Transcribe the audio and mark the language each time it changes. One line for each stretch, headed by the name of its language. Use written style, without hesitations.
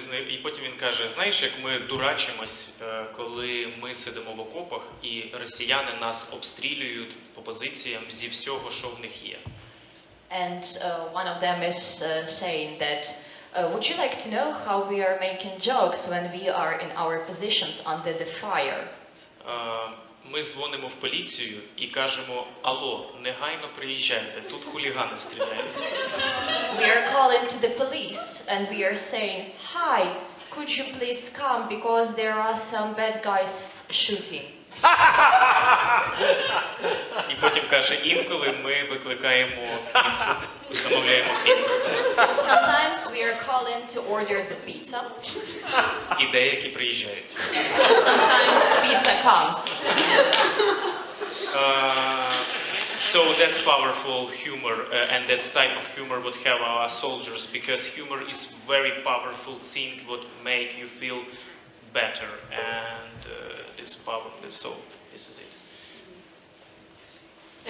Ukrainian: І потім він каже, знаєш, як ми дурачимось, коли ми сидимо в окопах і росіяни нас обстрілюють по позиціям зі всього, що в них є.
English: And one of them is saying that, would you like to know how we are making jokes when we are in our positions under the fire?
Ukrainian: ми дзвонимо в поліцію і кажемо: «Алло, негайно приїжджайте, тут хулігани стріляють».
English: We are calling to the police and we are saying: «Hi, could you please come because there are some bad guys shooting».
Ukrainian: І потім каже: «Інколи ми викликаємо піцу, замовляємо піцу».
English: Sometimes we are calling to order the pizza.
Ukrainian: І деякі приїжджають.
English: Sometimes pizza comes. So that's powerful humor, and that's type of humor what have our soldiers, because humor is very powerful thing what make you feel better, and this power, so this is it.